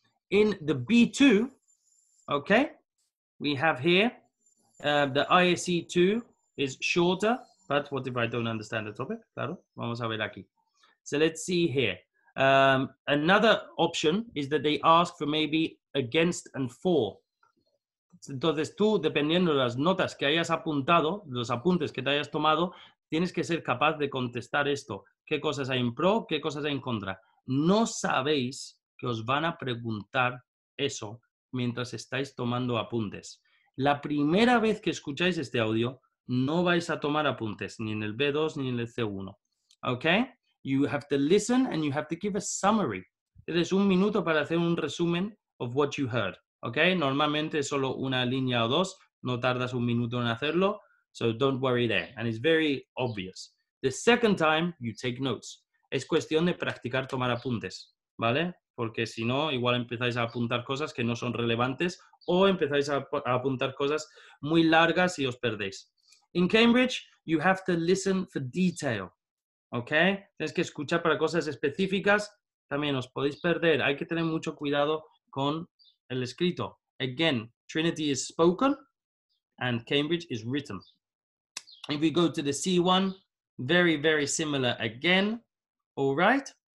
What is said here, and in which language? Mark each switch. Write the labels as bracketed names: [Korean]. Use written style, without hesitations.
[English] In the B2, okay, we have here the IAC 2 is shorter, but what if I don't understand the topic? [Spanish] Claro, vamos a ver aquí. [English] So let's see here. Another option is that they ask for maybe against and for. [Spanish] Entonces tú, dependiendo de las notas que hayas apuntado, los apuntes que te hayas tomado, tienes que ser capaz de contestar esto. ¿Qué cosas hay en pro? ¿Qué cosas hay en contra? No sabéis que os van a preguntar eso mientras estáis tomando apuntes. La primera vez que escucháis este audio, no vais a tomar apuntes, ni en el B2 ni en el C1. ¿Ok? [English] You have to listen and you have to give a summary. [Spanish] Tienes un minuto para hacer un resumen [English] of what you heard. [Spanish] ¿Ok? Normalmente es solo una línea o dos. No tardas un minuto en hacerlo. [English] So don't worry there. And it's very obvious. The second time, you take notes. [Spanish] Es cuestión de practicar tomar apuntes. ¿Vale? Porque si no, igual empezáis a apuntar cosas que no son relevantes o empezáis a apuntar cosas muy largas y os perdéis. [English] In Cambridge, you have to listen for detail. [Spanish] ¿Ok? Tienes que escuchar para cosas específicas. También os podéis perder. Hay que tener mucho cuidado con el escrito. [English] Again, Trinity is spoken and Cambridge is written. If we go to the C1, very, very similar again. All right.